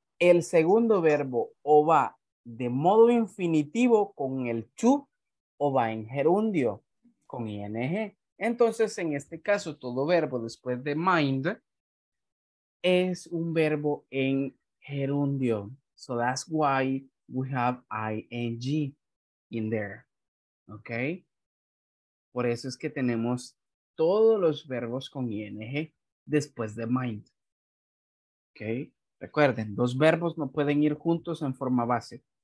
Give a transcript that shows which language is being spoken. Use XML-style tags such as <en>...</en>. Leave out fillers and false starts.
<es>el segundo verbo o va de modo infinitivo con el to o va en gerundio con ING. Entonces, en este caso, todo verbo después de mind es un verbo en gerundio.</es> <en>So that's why we have ing in there. Okay?</en> <es>Por eso es que tenemos todos los verbos con ing después de mind. Okay? Recuerden, dos verbos no pueden ir juntos en forma base.</es>